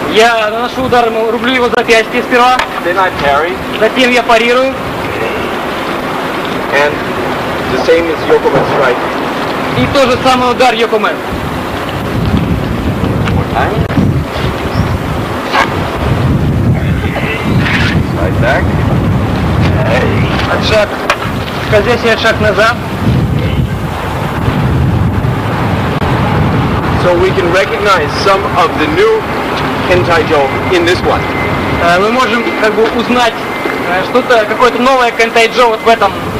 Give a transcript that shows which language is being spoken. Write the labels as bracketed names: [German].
[Russian] Я наношу удар ему, рублю его запястье сперва. [English] Then I parry. [Russian] Затем я парирую. [English] And the same as Yokomen strike. [Russian] И то же самое удар Yokomen. [English] Side back. [Russian] Отшаг. Скользящий отшаг назад. [English] So we can recognize some of the new Kentaijo in this one. [Russian] Мы можем как бы узнать что-то, какое-то новое Kentaijo вот в этом.